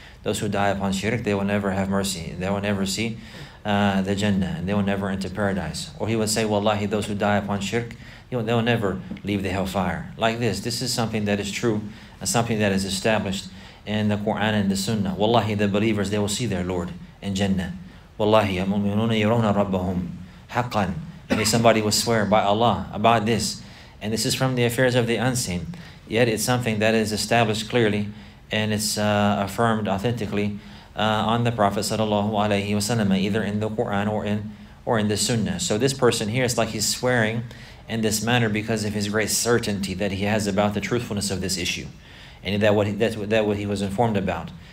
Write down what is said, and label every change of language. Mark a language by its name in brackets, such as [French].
[English] Those who die upon shirk, they will never have mercy. They will never see the Jannah, and they will never enter paradise. Or he would say, Wallahi, those who die upon shirk, they will never leave the hellfire. Like this, this is something that is true, and something that is established in the Quran and the Sunnah. Wallahi, the believers, they will see their Lord in Jannah. Wallahi, [Arabic] المؤمنون يرون ربهم حقا. [English] And if somebody will swear by Allah about this, and this is from the affairs of the unseen, yet it's something that is established clearly, and it's affirmed authentically on the Prophet sallallahu alaihi wasallam, either in the Quran or in the Sunnah. So this person here, it's like he's swearing in this manner because of his great certainty that he has about the truthfulness of this issue, and that what he was informed about,